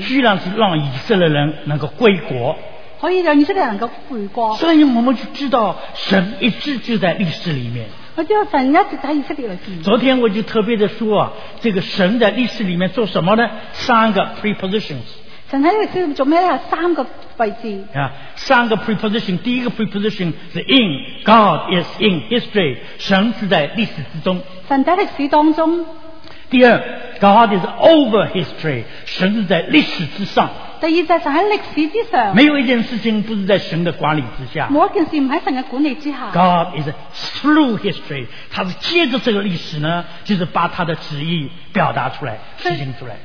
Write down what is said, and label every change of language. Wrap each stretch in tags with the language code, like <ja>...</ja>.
<zh>居然是让以色列人能够归国，可以让以色列人能够回国，所以我们就知道神一直就在历史里面，我就神一直在以色列里面。昨天我就特别的说啊，这个神在历史里面做什么呢？三个 prepositions，神在历史里面做什么呢？三个位置，三个 preposition， 第一个 preposition 是 in，</zh> <en>God is in history，</en> <zh>神是在历史之中，神在历史当中。第二，</zh> <en>God is over history，</en> <zh>神是在历史之上，第二就是在历史之上，没有一件事情不是在神的管理之下，没有一件事不在神的管理之下。</zh> <en>God is through history，</en> <zh>他是借着这个历史呢，就是把他的旨意表达出来，实行出来，</zh>